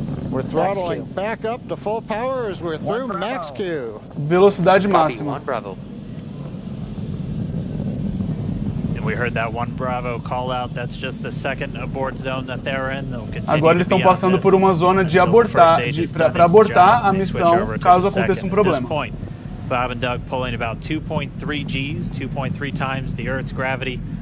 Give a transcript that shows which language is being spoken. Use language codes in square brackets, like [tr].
[en] We're throttling back up to full power as we're through max Q. [pt] Velocidade máxima. [en] Copy, 1 Bravo. We heard that one Bravo call out. That's just the second abort zone that they're in. [pt] Agora eles estão passando por uma zona de abortar, para abortar a missão caso aconteça problema. [en] Bob and Doug pulling about 2.3 Gs, 2.3 times the Earth's gravity.